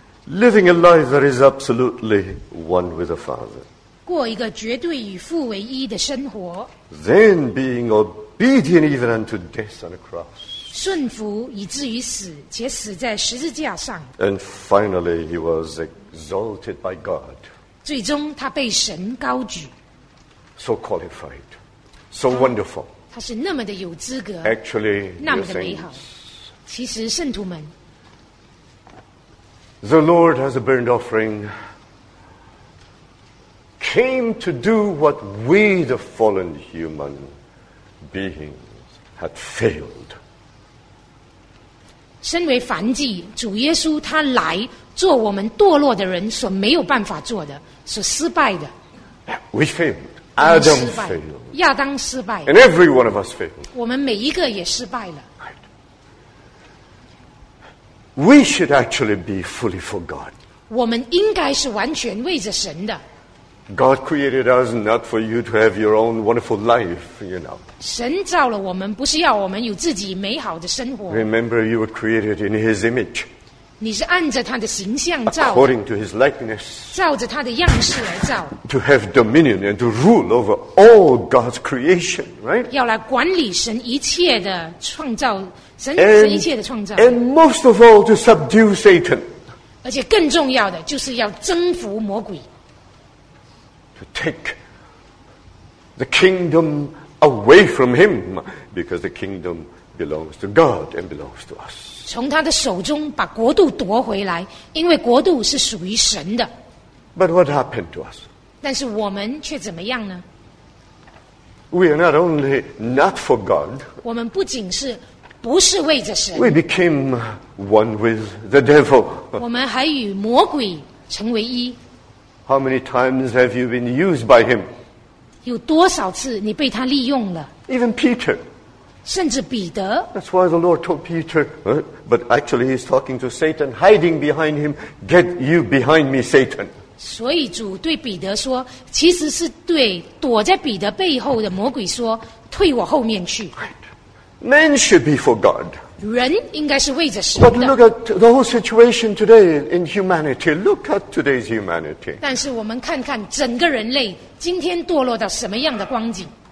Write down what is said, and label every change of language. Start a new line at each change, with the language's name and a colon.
English: Living a life that is absolutely one with the Father.
Chinese: 过一个绝对与父为一的生活。
English: Then being obedient even unto death on a cross.
Chinese: 顺服以至于死，且死在十字架上。
English: And finally, he was exalted by God.
Chinese: 最终他被神高举。
English: So qualified, so wonderful.
Chinese: 他是那么的有资格。
English: Actually,
Chinese: 那么的美好。其实圣徒们。
English: The Lord has a burnt offering. Came to do what we, the fallen human. Beings had failed.
Chinese: 身为凡祭，主耶稣他来做我们堕落的人所没有办法做的，所失败的。
English: We failed. Adam failed.
Chinese: 亚当失败。
English: And every one of us failed.
Chinese: 我们每一个也失败了。
English: Right. We should actually be fully for God.
Chinese: 我们应该是完全为着神的。
English: God created us not for you to have your own wonderful life, you know.
Chinese: 神造了我们，不是要我们有自己美好的生活。
English: Remember, you were created in His image.
Chinese: 你是按着他的形象造。
English: According to his likeness.
Chinese: 照着他的样式而造。
English: To have dominion and to rule over all God's creation, right?
Chinese: 要来管理神一切的创造，神一切的创造。
English: And most of all, to subdue Satan.
Chinese: 而且更重要的就是要征服魔鬼。
English: To take the kingdom away from him, because the kingdom belongs to God and belongs to us.
Chinese: 从他的手中把国度夺回来，因为国度是属于神的。
English: But what happened to us?
Chinese: 但是我们却怎么样呢？
English: We are not only not for God.
Chinese: 我们不仅是不是为着神。
English: We became one with the devil.
Chinese: 我们还与魔鬼成为一。
English: How many times have you been used by him?
Chinese: 有多少次你被他利用了？
English: Even Peter.
Chinese: 甚至彼得。
English: That's why the Lord told Peter, but actually he's talking to Satan, hiding behind him. Get you behind me, Satan.
Chinese: 所以主对彼得说，其实是对躲在彼得背后的魔鬼说，退我后面去。
English: Man should be for God.
Chinese: 人应该是为着神的。
English: But look at the whole situation today in humanity. Look at today's humanity.
Chinese: 但是我们看看整个人类今天堕落到什么样的光景。